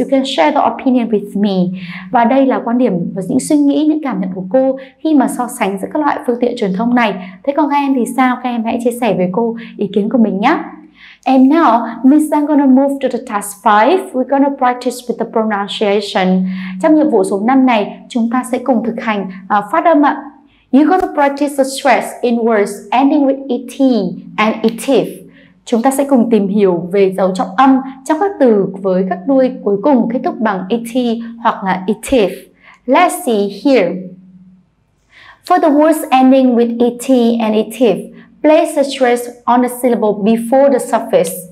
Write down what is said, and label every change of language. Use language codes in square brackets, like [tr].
[en] You can share the opinion with me. [vi] Và đây là quan điểm và những suy nghĩ, những cảm nhận của cô khi mà so sánh giữa các loại phương tiện truyền thông này. Thế còn các em thì sao? Các em hãy chia sẻ với cô ý kiến của mình nhé. [en] And now, Miss Giang gonna move to the task 5. We're gonna practice with the pronunciation. [vi] Trong nhiệm vụ số 5 này, chúng ta sẽ cùng thực hành phát âm ạ. [en] You're gonna practice the stress in words ending with et and etif. [vi] Chúng ta sẽ cùng tìm hiểu về dấu trọng âm trong các từ với các đuôi cuối cùng kết thúc bằng et hoặc là etif. [en] Let's see here. For the words ending with et and etif, place the stress on the syllable before the suffix.